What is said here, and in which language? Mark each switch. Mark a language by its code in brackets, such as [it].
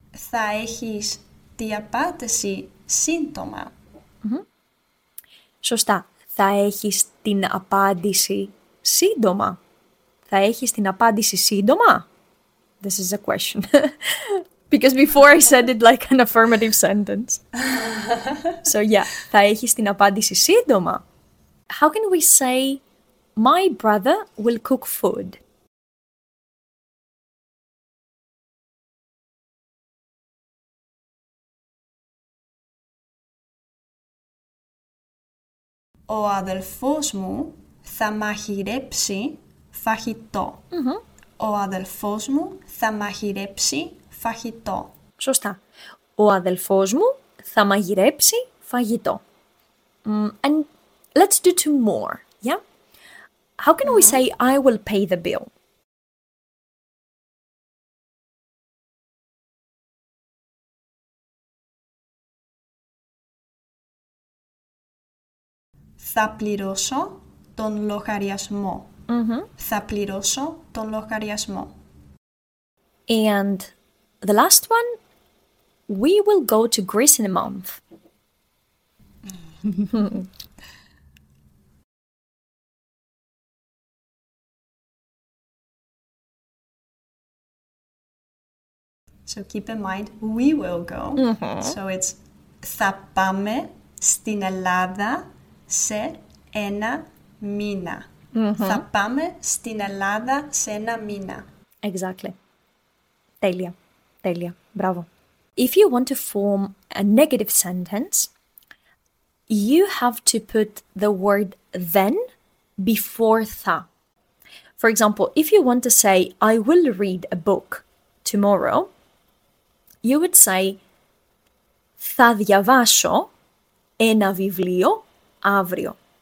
[el] Θα έχεις την απάντηση σύντομα. Σωστά. Θα έχεις την απάντηση σύντομα. Θα έχεις την απάντηση σύντομα. [en] This is a question. Because before I said it like an affirmative sentence. So yeah, [el] θα έχεις την απάντηση σύντομα. [en] How can we say my brother will cook food? [el] Ο αδελφός μου θα μαγειρέψει φαγητό. Ο αδελφός μου θα μαγειρέψει φαγητό. Σωστά. Ο αδελφός μου θα μαγειρέψει φαγητό. [en] And let's do two more, yeah? How can we say I will pay the bill? [el] Θα πληρώσω τον λογαριασμό. Θα πληρώσω τον λογαριασμό. [en] And the last one, we will go to Greece in a month. So keep in mind, we will go. So it's [el] θα πάμε στην Ελλάδα. Σε ένα μήνα. Θα πάμε στην Ελλάδα σε ένα μήνα. [en] Exactly. [el] Τέλεια. Τέλεια. Μπράβο. [en] If you want to form a negative sentence, you have to put the word then before θα. For example, if you want to say, I will read a book tomorrow, you would say, [el] θα διαβάσω ένα βιβλίο αύριο.